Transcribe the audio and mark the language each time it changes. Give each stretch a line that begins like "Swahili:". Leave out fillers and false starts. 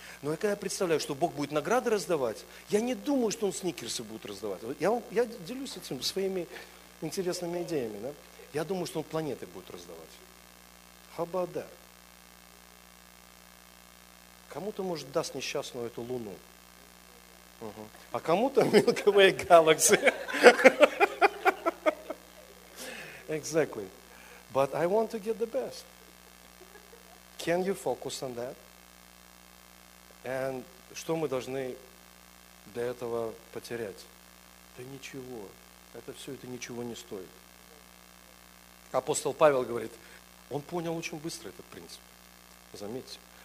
Russian: Но я, когда я представляю, что Бог будет награды раздавать, я не думаю, что Он сникерсы будет раздавать. Я делюсь этим своими интересными идеями, да? Я думаю, что Он планеты будет раздавать.
English: How about that?
Russian: Кому-то, может, даст несчастную эту луну. А кому-то Milky Way Galaxy.
English: Exactly. But I want to get the best. Can you focus on that?
Russian: And что мы должны для этого потерять? Да ничего. Это ничего не стоит. Апостол Павел говорит, он понял очень быстро этот принцип. Заметьте.